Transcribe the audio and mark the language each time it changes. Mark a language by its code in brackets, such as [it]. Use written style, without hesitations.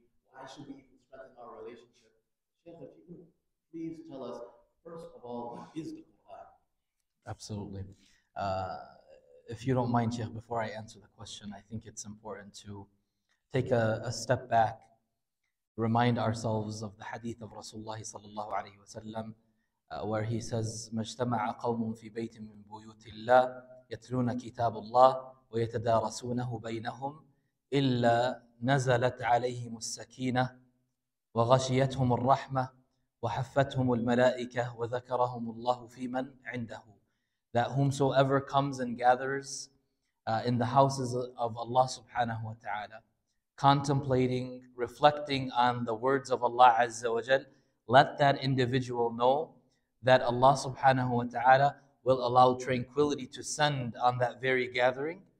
[en] Why should we even strengthen our relationship? Sheikh, if you can please tell us, first of all, what is the Quran? Absolutely. If you don't mind, Sheikh, before I answer the question, I think it's important to take a step back. Remind ourselves of the hadith of Rasulullah sallallahu alayhi wa sallam, where he says, [ar] مَجْتَمَعَ قَوْمٌ فِي بَيْتٍ مِّن بُيُوتِ اللَّهِ يَتْلُونَ كِتَابُ اللَّهِ وَيَتَدَارَسُونَهُ بَيْنَهُمْ إِلَّا نَزَلَتْ عَلَيْهِمُ السَّكِينَةِ وَغَشِيَتْهُمُ الرَّحْمَةِ وَحَفَّتْهُمُ الْمَلَائِكَةِ وَذَكَرَهُمُ اللَّهُ فِي مَنْ عِنْدَهُ. [en] That whomsoever comes and gathers in the houses of Allah subhanahu wa ta'ala, contemplating, reflecting on the words of Allah Azza wa Jal, let that individual know that Allah subhanahu wa ta'ala will allow tranquility to send on that very gathering.